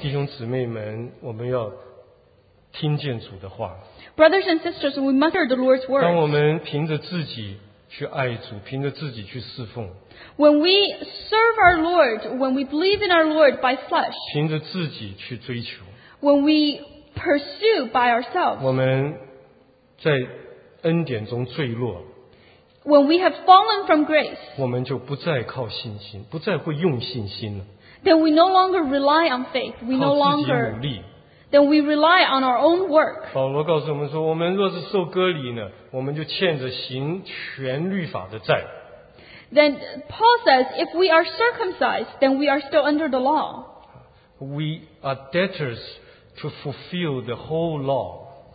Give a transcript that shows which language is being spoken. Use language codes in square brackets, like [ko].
[zh] 弟兄姊妹们，我们要听见主的话。 [en] Brothers and sisters, we mutter the Lord's words. [zh] 当我们凭着自己去爱主，凭着自己去侍奉。 [en] When we serve our Lord, when we believe in our Lord by flesh. [zh] 凭着自己去追求。 [en] When we pursue by ourselves. [zh] 我们在恩典中坠落。 [en] When we have fallen from grace, [zh] 我们就不再靠信心, 不再会用信心了, [en] then we no longer rely on faith. We no longer then we rely on our own work. [zh] 保罗告诉我们说, 我们若是受割礼呢, 我们就欠着行全律法的债。 [en] Then Paul says, if we are circumcised, then we are still under the law. We are debtors to fulfill the whole law.